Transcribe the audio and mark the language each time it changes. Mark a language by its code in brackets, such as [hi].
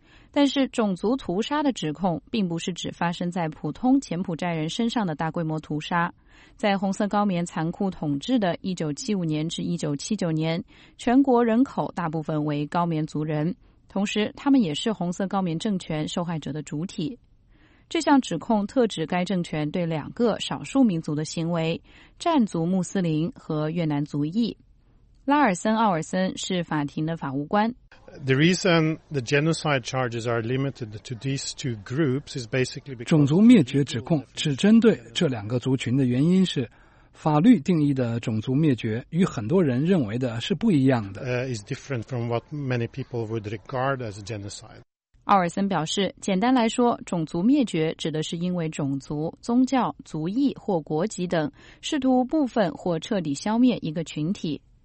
[zh] 但是种族屠杀的指控并不是只发生在普通柬埔寨人身上的大规模屠杀，在红色高棉残酷统治的1975年至1979年，全国人口大部分为高棉族人，同时他们也是红色高棉政权受害者的主体。这项指控特指该政权对两个少数民族的行为，占族穆斯林和越南族裔。拉尔森·奥尔森是法庭的法务官。 [en] The reason the genocide charges are limited to these two groups is basically because [zh] 种族灭绝指控只针对这两个族群的原因是，法律定义的种族灭绝与很多人认为的是不一样的。 [en] Is different from what many people would regard as a genocide. [zh] 奥尔森表示，简单来说，种族灭绝指的是因为种族、宗教、族裔或国籍等试图部分或彻底消灭一个群体。